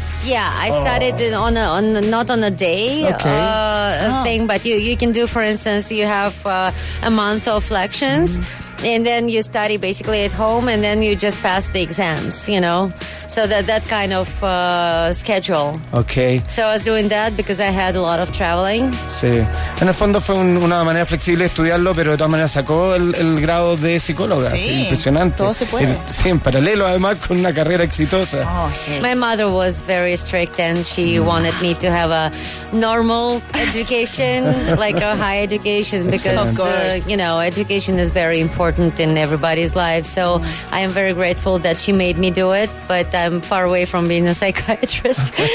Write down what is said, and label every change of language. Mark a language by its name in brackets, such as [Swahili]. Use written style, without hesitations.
[English] I studied thing, but you can do, for instance, you have a month of lections. Mm-hmm. And then you study basically at home, and then you just pass the exams, you know. So that kind of schedule. Okay. So I was doing that because I had a lot of traveling. [Spanish] Sí. En el fondo fue una manera flexible estudiarlo, pero de todas maneras sacó el grado de psicóloga. Sí. Impresionante. Todo se puede. Sí, en paralelo, además, con una carrera exitosa. [English] Oh, okay. My mother was very strict, and she wanted me to have a normal education, like a high education, because, of course, you know, education is very important. important in everybody's life. So I am very grateful that she made me do it, but I'm far away from being a psychiatrist.